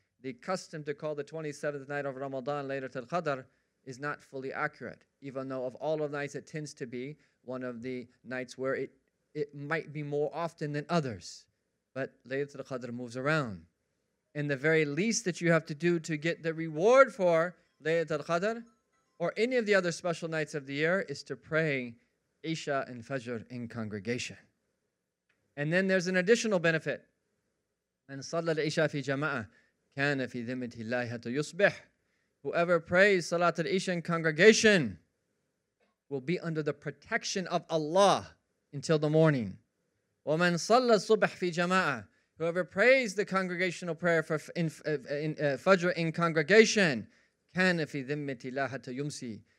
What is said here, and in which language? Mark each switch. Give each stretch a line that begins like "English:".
English: The custom to call the 27th night of Ramadan Laylatul Qadr is not fully accurate, even though of all of the nights it tends to be one of the nights where it might be more often than others. But Laylatul Qadr moves around. And the very least that you have to do to get the reward for Laylatul Qadr or any of the other special nights of the year is to pray Isha and Fajr in congregation. And then there's an additional benefit.
Arabic: من صلى العشاء في جماعة كان في ذمة الله حتى يصبح.
English: Whoever prays Salat al-Isha in congregation will be under the protection of Allah until the morning.
Arabic: ومن صلى الصبح في جماعة.
English: Whoever prays the congregational prayer for Fajr in congregation
Arabic: كان في ذمة الله حتى يمسي.